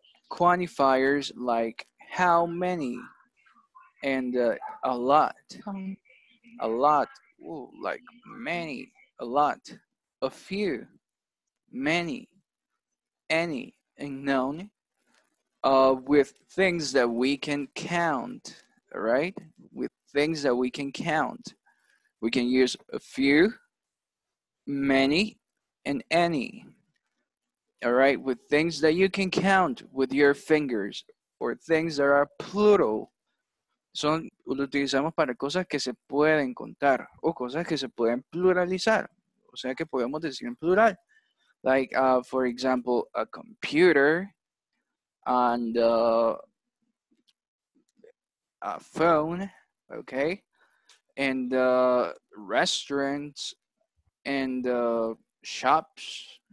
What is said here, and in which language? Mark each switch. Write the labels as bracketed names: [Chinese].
[English] quantifiers like how many and a lot, ooh, like many, a lot, a few, many, any, and known, with things that we can count, right? With things that we can count. We can use a few, many, and any, all right? With things that you can count with your fingers, or things that are plural. [Spanish] Son, lo utilizamos para cosas que se pueden contar, o cosas que se pueden pluralizar, o sea que podemos decir en plural. [English] Like, for example, a computer and a phone, okay? And restaurants and shops?